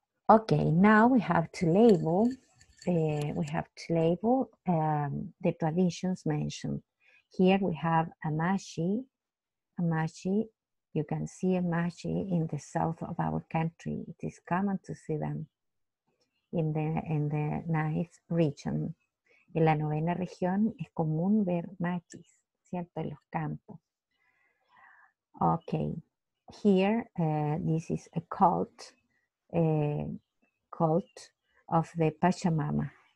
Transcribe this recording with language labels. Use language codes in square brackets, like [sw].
[en] Okay, now we have to label, the traditions mentioned. Here we have Amashi. You can see a mashi in the south of our country. It is common to see them in the ninth region. [es] En la novena región es común ver machis, ¿cierto? En los campos. Okay. [en] Here, this is a cult of the Pachamama.